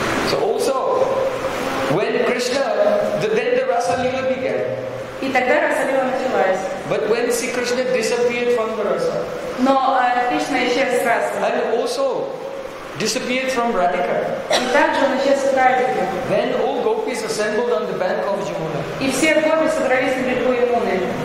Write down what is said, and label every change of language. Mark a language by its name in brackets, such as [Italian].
[English] So also, when Krishna, then the Rasa Lila began. [Russian] И тогда Раса Лила началась. [English] But when Sri Krishna disappeared from the Rasa. [Russian] Но Кришна исчез с Раса. [English] And also, disappeared from Radhika. [Russian] И также он исчез от Радики. [English] Then all gopis assembled on the bank of Yamuna. [Russian] И все гопи собрались на берегу Ямуны.